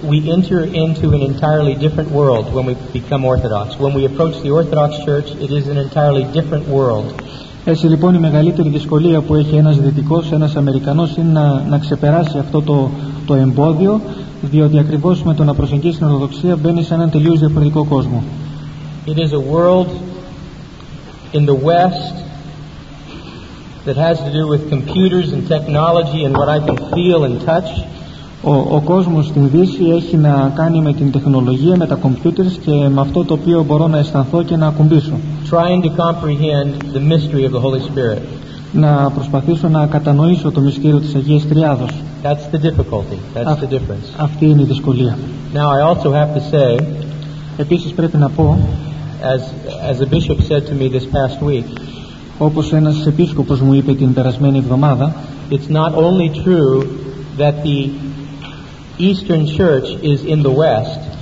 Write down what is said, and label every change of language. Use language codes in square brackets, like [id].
[en] We enter into an entirely different world when we become Orthodox. When we approach the Orthodox Church, it is an entirely different world. [el] Έτσι λοιπόν η μεγαλύτερη δυσκολία που έχει ένας δυτικός, ένας Αμερικανός, είναι να ξεπεράσει αυτό το εμπόδιο, διότι ακριβώς με το να προσεγγίσει την Ορθοδοξία μπαίνει σε έναν τελείως διαφορετικό κόσμο. [en] It is a world in the West that has to do with computers and technology and what I can feel and touch. [el] Ο κόσμος στην Δύση έχει να κάνει με την τεχνολογία, με τα computers και με αυτό το οποίο μπορώ να αισθανθώ και να ακουμπήσω. [en] Trying to comprehend the mystery of the Holy Spirit. [el] Να προσπαθήσω να κατανοήσω το μυστήριο της Αγίας Τριάδος. [en] That's the difficulty. That's the difference. [el] Αυτή είναι η δυσκολία. [en] Now I also have to say, [el] επίσης πρέπει να πω, [en] as the bishop said to me this past week, [el] όπως ένας επίσκοπος μου είπε την περασμένη εβδομάδα, [en] it's not only true that the Eastern Church is in the West.